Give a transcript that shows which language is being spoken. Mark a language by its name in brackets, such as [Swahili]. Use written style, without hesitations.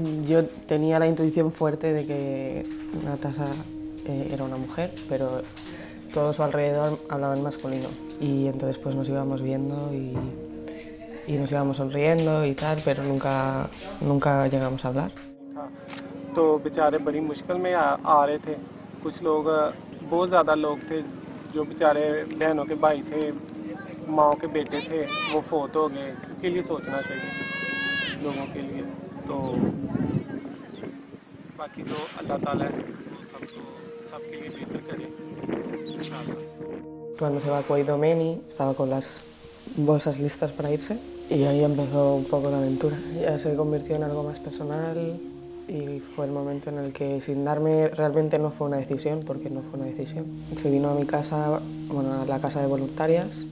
[Spanish] Yo tenía la intuición fuerte de que Natasha era una mujer, pero todo su alrededor hablaba en masculino. Y entonces pues nos íbamos viendo y nos íbamos sonriendo y tal, pero nunca llegamos a hablar. [Hindi] तो बेचारे बड़ी मुश्किल में आ रहे थे कुछ लोग बहुत ज्यादा लोग थे जो बेचारे बहनों के भाई थे माओं के बेटे थे वो फोत हो गए के लिए सोचना चाहिए लोगों के लिए तो बाकी जो अल्लाह ताला है सबके लिए बेहतर करे इंशाल्लाह [Spanish] cuando se va con Domeni estaba con las bolsas listas para irse y ahí empezó un poco la aventura ya se convirtió en algo más personal y fue el momento en el que sin darme realmente no fue una decisión porque no fue una decisión se vino a mi casa bueno a la casa de voluntarias